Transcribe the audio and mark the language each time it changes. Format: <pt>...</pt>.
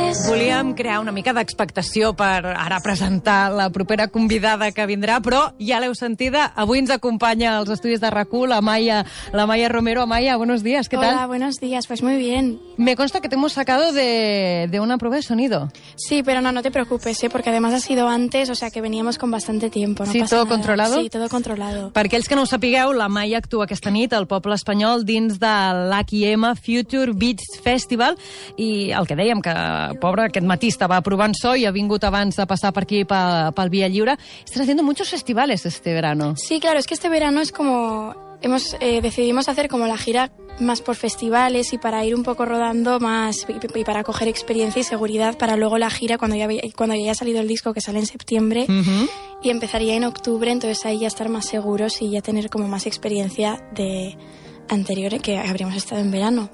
<ca>volíem crear una mica d'expectació per ara presentar la propera convidada que vindrà, però ja l'heu sentida. Avui ens acompanya als estudis de RAC1 la Maya Romero.</ca> <es>Maya, buenos días, ¿qué tal? Hola, buenos días, pues muy bien. Me consta que te hemos sacado de una prueba de sonido. Sí, pero no te preocupes, ¿eh? Porque además ha sido antes, o sea que veníamos con bastante tiempo. No sí, pasa todo nada. Controlado. Sí, todo controlado.</es> <ca>Per aquells que no ho sapigueu, la Maya actua aquesta nit al Poble Espanyol dins de l'H&M Future Beats Festival i el que dèiem, que pobre, aquest matí estava provant so i ha vingut abans de passar per aquí pel Via Lliure. Estàs</ca> <es>haciendo muchos festivales este verano. Sí, claro, es que este verano es como... decidimos hacer como la gira más por festivales y para ir un poco rodando más y para coger experiencia y seguridad para luego la gira cuando ya haya salido el disco, que sale en septiembre. Y empezaría en octubre, entonces ahí ya estar más seguros y ya tener como más experiencia de anteriores que habríamos estado en verano.</es>